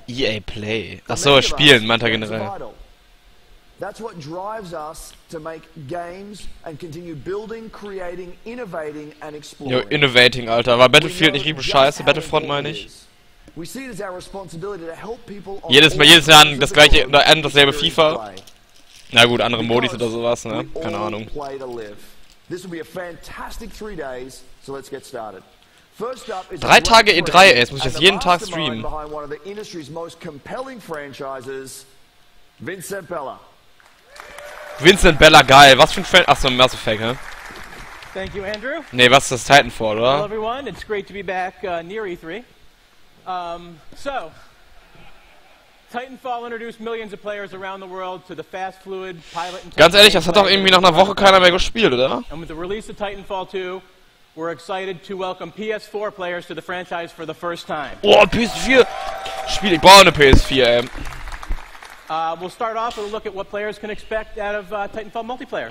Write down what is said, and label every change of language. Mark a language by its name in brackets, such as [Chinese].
[German] EA Play. Ach so, spielen, meint er generell. [English] That's what drives us to make games and continue building, creating, innovating and exploring. [German] Yo, innovating, Alter. War Battlefield nicht richtig scheiße? Battlefront meine ich. [English] We see it as our responsibility to help people. [German] Jedes Mal an das gleiche oder an dasselbe FIFA. Na gut, andere Modis oder sowas, ne? Keine Ahnung. [English] This will be a fantastic 3 days, so let's get started. [German] 3 Tage E3, ey, jetzt muss ich jetzt jeden Tag streamen. [English] Behind one of the industry's most compelling franchises, Vincent Bella. [German] Vincent Bella, geil, was für ein Fan. Achso, Mass Effect, ne? [English] Thank you, Andrew. [German] Ne, was ist das Titanfall, oder? [English] Hello everyone, it's great to be back near E3. Titanfall introduced millions of players around the world to the fast fluid pilot and. [German] Ganz ehrlich, das hat doch irgendwie nach einer Woche keiner mehr gespielt, oder? [English] And with the release of Titanfall 2, we're excited to welcome PS4 players to the franchise for the first time. [German] Oh, PS4! Spiel, ich brauche eine PS4, ey. [English] We'll start off with a look at what players can expect out of Titanfall multiplayer.